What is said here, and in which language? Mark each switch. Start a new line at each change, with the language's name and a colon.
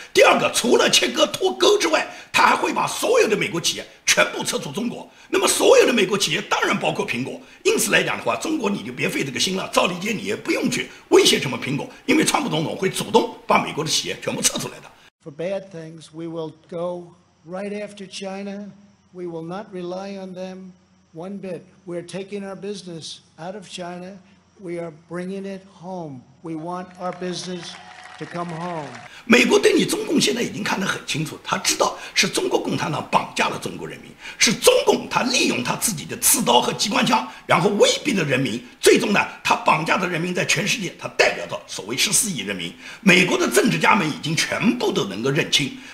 Chinese: 第二个，除了切割脱钩之外，他还会把所有的美国企业全部撤出中国，那么所有的美国企业当然包括苹果，因此来讲的话中国你就别费这个心了，赵立坚你也不用去威胁什么苹果，因为川普总统会主动把美国的企业全部撤出来的。
English: For bad things we will go right after China, we will not rely on them one bit, we are taking our business out of China, we are bringing it home, we want our businessTo come home.
Chinese: 美国对你中共现在已经看得很清楚，他知道是中国共产党绑架了中国人民，是中共他利用他自己的刺刀和机关枪然后威逼了人民，最终呢他绑架的人民在全世界他代表的所谓14亿人民，美国的政治家们已经全部都能够认清，